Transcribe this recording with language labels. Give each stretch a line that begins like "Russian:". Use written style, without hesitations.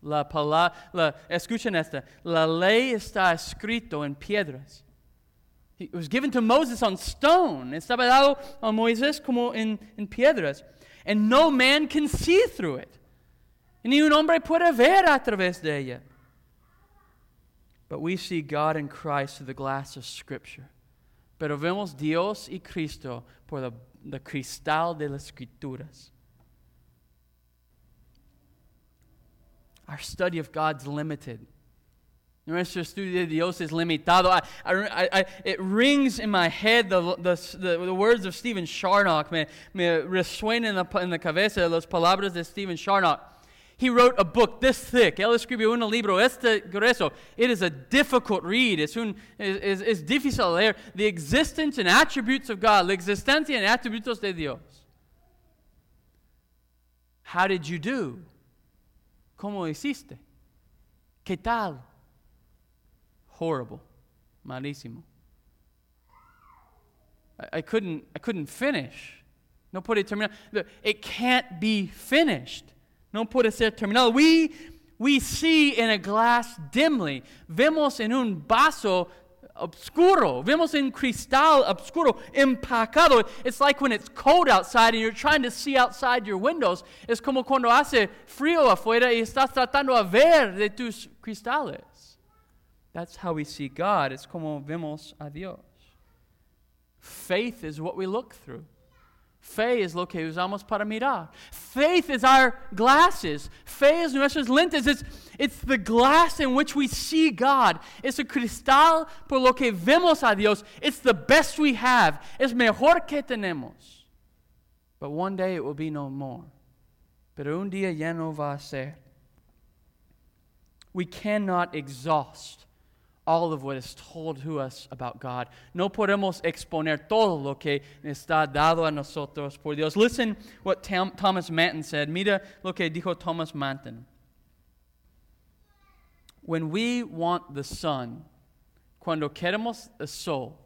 Spanish: Escuchen esta. La ley está escrito en piedras.
English: It was given to Moses on stone.
Spanish: Estaba dado a Moisés como en piedras.
English: And no man can see through it.
Spanish: Ni un hombre puede ver a través de ella.
English: But we see God in Christ through the glass of Scripture.
Spanish: Pero vemos Dios y Cristo por el cristal de las Escrituras.
English: Our study of God's limited.
Spanish: Nuestro estudio de Dios es limitado.
English: It rings in my head the words of Stephen Charnock.
Spanish: Me resuena en la cabeza las palabras de Stephen Charnock.
English: He wrote a book this thick.
Spanish: Él escribió un libro este grueso.
English: It is a difficult read.
Spanish: Es difícil leer.
English: The existence and attributes of God.
Spanish: La existencia and attributos de Dios.
English: How did you do?
Spanish: ¿Cómo hiciste? ¿Qué tal? Horrible. Malísimo.
English: I couldn't finish.
Spanish: No puede terminar.
English: It can't be finished.
Spanish: No puede ser terminado.
English: We see in a glass dimly.
Spanish: Vemos en un vaso oscuro. Vemos en cristal oscuro. Empacado.
English: It's like when it's cold outside and you're trying to see outside your windows.
Spanish: Es como cuando hace frío afuera y estás tratando de ver de tus cristales.
English: That's how we see God.
Spanish: Es como vemos a Dios.
English: Faith is what we look through.
Spanish: Fe es lo que usamos para mirar.
English: Faith is our glasses.
Spanish: Fe es nuestras lentes.
English: It's the glass in which we see God.
Spanish: Es el cristal por lo que vemos a Dios.
English: It's the best we have.
Spanish: Es mejor que tenemos.
English: But one day it will be no more.
Spanish: Pero un día ya no va a ser.
English: We cannot exhaust all of what is told to us about God.
Spanish: No podemos exponer todo lo que está dado a nosotros por Dios.
English: Listen what Thomas Manton said.
Spanish: Mira lo que dijo Thomas Manton.
English: When we want the sun,
Spanish: cuando queremos el sol.